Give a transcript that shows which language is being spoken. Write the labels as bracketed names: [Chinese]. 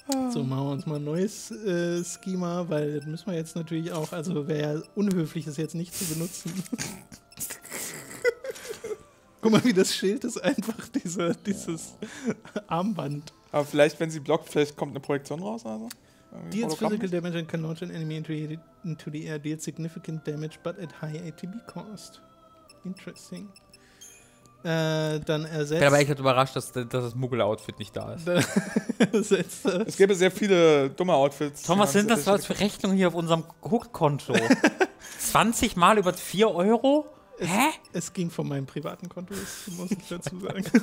[German] So, machen wir uns mal ein neues Schema, weil das müssen wir jetzt natürlich auch, also wäre ja unhöflich, das jetzt nicht zu benutzen. Guck mal, wie das Schild ist, einfach dieses Armband. Aber vielleicht, wenn sie blockt, vielleicht kommt eine Projektion raus oder so? [English] Deals physical damage and can launch an enemy into the air. Deals significant damage, but at high ATB cost. Interesting. [German] Dann ersetzt... Ich bin aber echt überrascht, dass das Muggel-Outfit nicht da ist. Ersetzt das. Es gäbe sehr viele dumme Outfits. Tom, was sind das für Rechnungen hier auf unserem Hook-Konto? 20 mal über 4 Euro? Hä? Es ging von meinem privaten Konto, muss ich dazu sagen.